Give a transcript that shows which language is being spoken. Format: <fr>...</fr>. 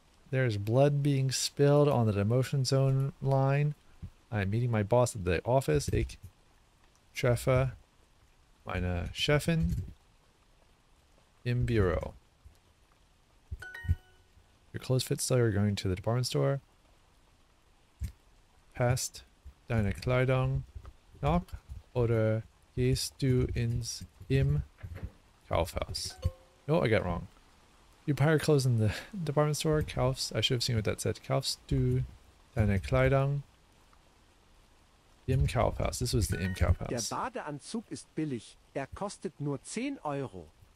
<en>There's blood being spilled on the demotion zone line. I'm meeting my boss at the office.</en> <de>Ich treffe meine Chefin im Büro.</de> <en>Your clothes fit still, you're going to the department store.</en> <de>Passt deine Kleidung noch oder gehst du ins im Kaufhaus?</de> <en>No, I got wrong. You buy your clothes in the department store. I should have seen what that said.</en> <de>Kaufst du deine Kleidung im Kaufhaus?</de> <en>This was the im Kaufhaus.</en> <de>Der Badeanzug ist billig. Kostet nur 10 Euro.</de>